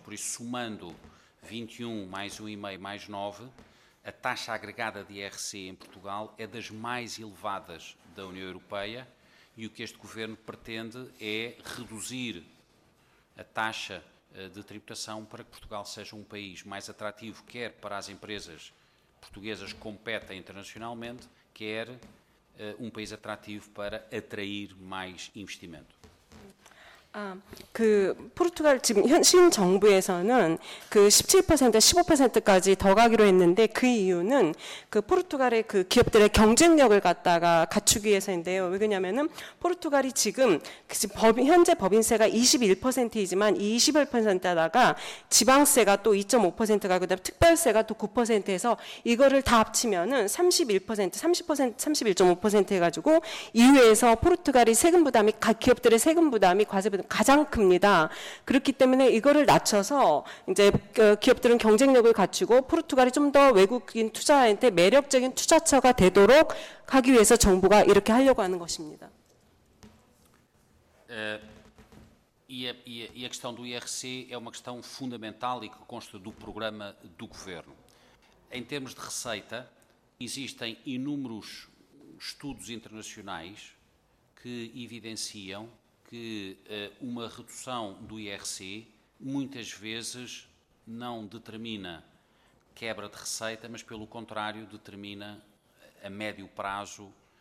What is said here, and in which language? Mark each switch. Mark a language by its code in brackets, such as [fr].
[pt] Por isso, somando 21 mais 1,5 mais 9, a taxa agregada de IRC em Portugal é das mais elevadas da União Europeia e o que este governo pretende é reduzir a taxa de tributação para que Portugal seja país mais atrativo, quer para as empresas portuguesas que competem internacionalmente, quer país atrativo para atrair mais investimento. [ko] 그 포르투갈 지금 신 정부에서는 그 17% 15%까지 더 가기로 했는데 그 이유는 그 포르투갈의 그 기업들의 경쟁력을 갖다가 갖추기 위해서인데요. 왜 그러냐면은 포르투갈이 지금 현재 법인세가 21%이지만 21%에다가 지방세가 또 2.5%가 그다음에 특별세가 또 9%에서 이거를 다 합치면은 31% 해가지고 이후에서 포르투갈이 세금 부담이 기업들의 세금 부담이 과세 가장 큽니다. 그렇기 때문에 이거를 낮춰서 이제 기업들은 경쟁력을 갖추고 포르투갈이 좀 더 외국인 투자한테 매력적인 투자처가 되도록 하기 위해서 정부가 이렇게 하려고 하는 것입니다. [pt] E a questão do IRC é uma questão fundamental e que consta do programa do Governo. Em termos de receita, existem inúmeros estudos internacionais que evidenciam que uma redução do IRC muitas vezes não determina quebra de receita, mas pelo contrário determina a médio prazo